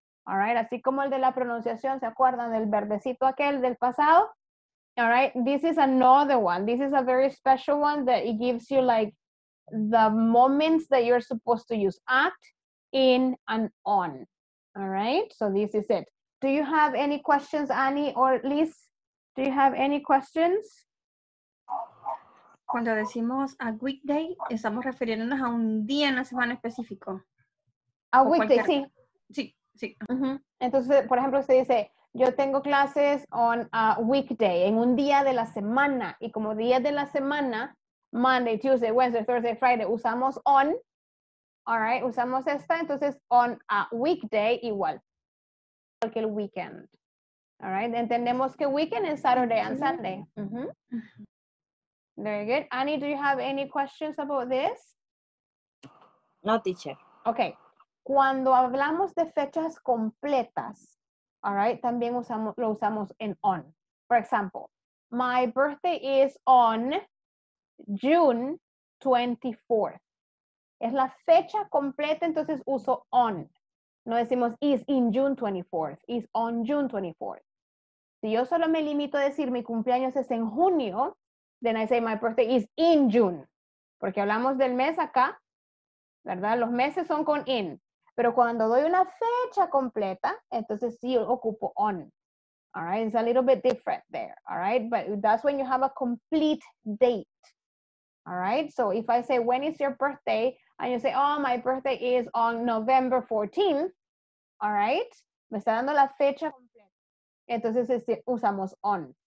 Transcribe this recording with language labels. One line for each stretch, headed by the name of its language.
English: All right,
Spanish: así como el de la pronunciación, ¿se acuerdan del verdecito aquel del pasado?
English: All right, this is another one. This is a very special one that it gives you like the moments that you're supposed to use at, in, and on. All right, so this is it. Do you have any questions, Annie or Liz? Do you have any questions?
Spanish: Cuando decimos a weekday, estamos refiriéndonos a un día en la semana específico. A weekday, sí. Sí, sí. Uh-huh. Entonces, por ejemplo, usted dice, yo tengo clases on a weekday, en un día de la semana. Y como día de la semana, Monday, Tuesday, Wednesday, Thursday, Friday, usamos on. All right, usamos esta. Entonces, on a weekday, igual. Igual que el weekend. All right, entendemos que weekend es Saturday and Sunday. Uh-huh.
English: Very good. Annie, do you have any questions about this? No, teacher. Okay.
Spanish: Cuando hablamos de fechas completas, all right, también lo usamos en on.
English: For example, my birthday is on June 24th.
Spanish: Es la fecha completa, entonces uso on. No decimos is in June 24th. Is on June 24th. Si yo solo me limito a decir mi cumpleaños es en junio,
English: then I say my birthday is in June.
Spanish: Porque hablamos del mes acá, ¿verdad? Los meses son con in. Pero cuando doy una fecha completa, entonces sí ocupo on.
English: All right? It's a little bit different there. All right? But that's when you have a complete date. All right? So if I say, when is your birthday? And you say, oh, my birthday is on November 14th.
Spanish: All right? Me está dando la fecha completa. Entonces usamos on.